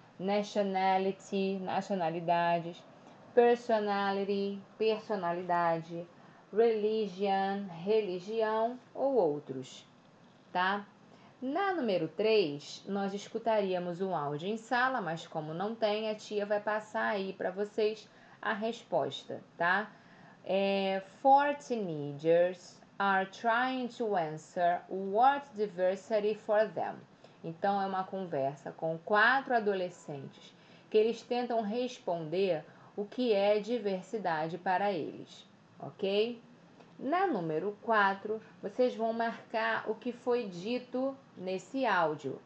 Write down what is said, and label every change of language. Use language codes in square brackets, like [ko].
[pt] Nationality, nacionalidades, personality, personalidade, religion, religião ou outros, tá? Na número 3, nós escutaríamos um áudio em sala, mas como não tem, a tia vai passar aí para vocês a resposta, tá? [en] 4 teenagers are trying to answer what diversity for them. [pt] Então, é uma conversa com quatro adolescentes que eles tentam responder o que é diversidade para eles, ok? Na número 4, vocês vão marcar o que foi dito nesse áudio.